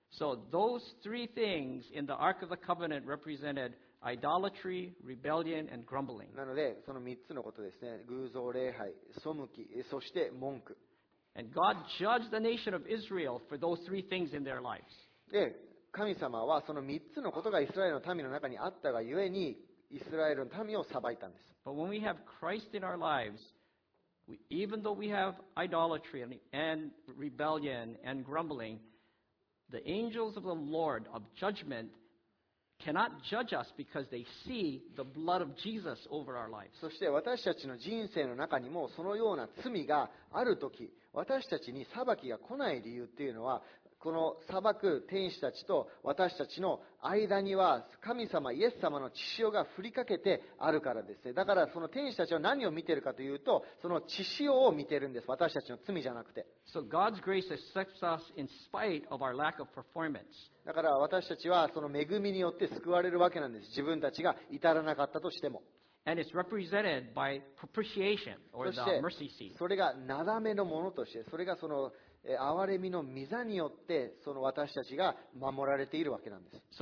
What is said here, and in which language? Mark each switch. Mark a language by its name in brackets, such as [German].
[English] So those three things in the Ark of the Covenant represented idolatry, rebellion, and grumbling. [Japanese] なのでその3つのことですね。偶像礼拝、背き、そして文句。 [English] And God judged the nation of Israel for those three things in their lives. [Japanese] で、神様はその3つのことがイスラエルの民の中にあったがゆえにイスラエルの民を裁いたんです。 [English] But when we have Christ in our lives, even though we have idolatry and rebellion and grumbling,The angels of the Lord of judgment cannot judge us because they see the blood of Jesus over our lives. [Japanese] そして私たちの人生の中にもそのような罪があるとき、私たちに裁きが来ない理由っていうのは、この裁く天使たちと私たちの間には神様イエス様の血潮が降りかけてあるからですね。だからその天使たちは何を見ているかというと、その血潮を見ているんです。私たちの罪じゃなくて。 [English] So God's grace accepts us in spite of our lack of performance. [Japanese] だから私たちはその恵みによって救われるわけなんです。自分たちが至らなかったとしても。 [English] And it's represented by propitiation or the mercy seat. [Japanese] それがなだめのものとして、それがその憐れみの御座によってその私たちが守られているわけなんです。